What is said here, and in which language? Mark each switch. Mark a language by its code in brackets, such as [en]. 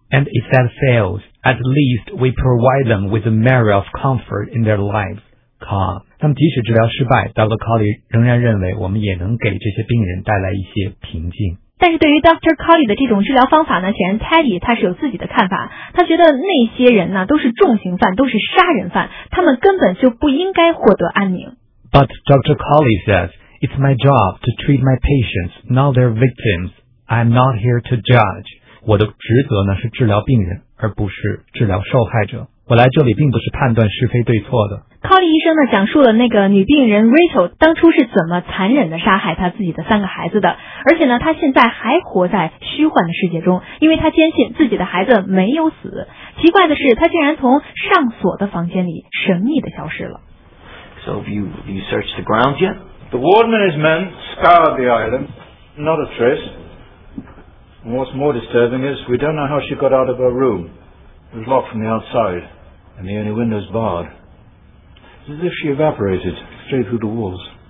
[en] ？And if that fails, at least we provide them with a measure of comfort in their lives, calm. [zh] 那么即使治疗失败 ，Dr. Colley 仍然认为我们也能给这些病人带来一些平静。但是对于 Dr. Colley 的这种治疗方法呢，显然 Teddy 他是有自己的看法。他觉得那些人呢都是重刑犯，都是杀人犯，他们根本就不应该获得安宁。 [en] But Dr. Colley says it's my job to treat my patients, not their victims. I'm not here to judge. [zh] 我的职责呢是治疗病人，而不是治疗受害者。我来这里并不是判断是非对错的。 Colley 医生呢讲述了那个女病人 Rachel 当初是怎么残忍的杀害她自己的三个孩子的，而且呢她现在还活在虚幻的世界中，因为她坚信自己的孩子没有死。奇怪的是，她竟然从上锁的房间里神秘的消失了。 [en] So have you searched the grounds yet? The warden and his men scoured the island, not a trace. And what's more disturbing is we don't know how she got out of her room. It was locked from the outside, and the only window's barred. It's as if she evaporated straight through the walls.